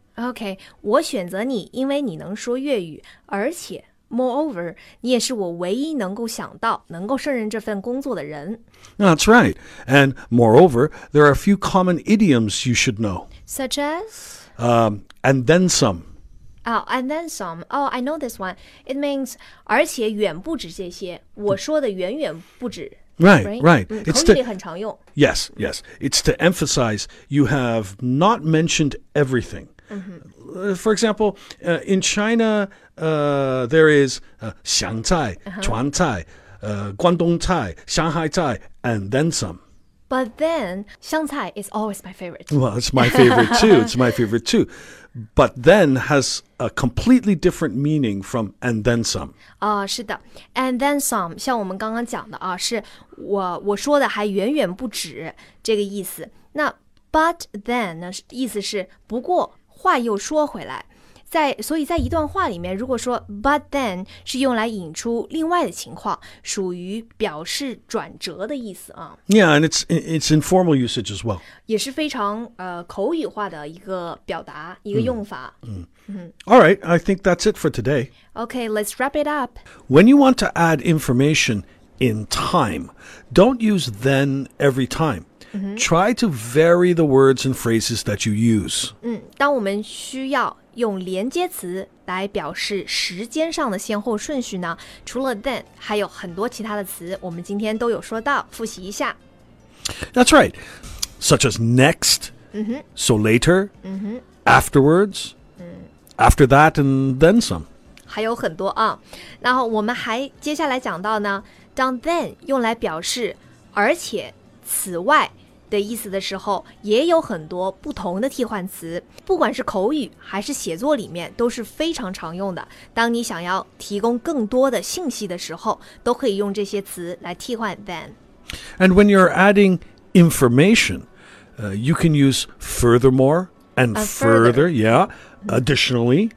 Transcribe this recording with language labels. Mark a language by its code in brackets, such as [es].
[en] Okay. [zh] 我选择你因为你能说粤语，而且 [en] moreover, [zh] 你也是我唯一能够想到能够胜任这份工作的人。 [en] That's right. And moreover, there are a few common idioms you should know. Such as? And then some. Oh, and then some. Oh, I know this one. It means, [zh] 而且远不止这些。我说的远远不止。 [en] Right. It's [zh] 口语里很常用。 [en] Yes. It's to emphasize you have not mentioned everything. Mm-hmm. For example, in China, there is [zh] 湘菜、川菜、广东菜、上海菜, [en] and then some. But then, 香菜 is always my favorite. Well, it's my favorite too. But then has a completely different meaning from and then some. [zh] 是的。 [en] And then some, [zh] 像我们刚刚讲的啊，是我说的还远远不止这个意思。那 [en] but then [zh] 呢，意思是不过话又说回来。所以在一段话里面，如果说 [en] but then [zh] 是用来引出另外的情况，属于表示转折的意思啊。 [en] Yeah, and it's informal usage as well. [zh] 也是非常口语化的一个表达，一个用法。 [en] All right, I think that's it for today. Okay, let's wrap it up. When you want to add information in time, don't use then every time. Try to vary the words and phrases that you use. [zh] 当我们需要用连接词来表示时间上的先后顺序呢，除了 then, 还有很多其他的词我们今天都有说到，复习一下。 [en] That's right. Such as next, so later, afterwards, after that, and then some. [zh] 还有很多啊。然后我们还接下来讲到呢，当 then 用来表示而且此外的意思的时候，也有很多不同的替换词，不管是口语还是写作里面都是非常常用的。当你想要提供更多的信息的时候，都可以用这些词来替换 then。 [en] And when you're adding information, you can use furthermore and further, additionally,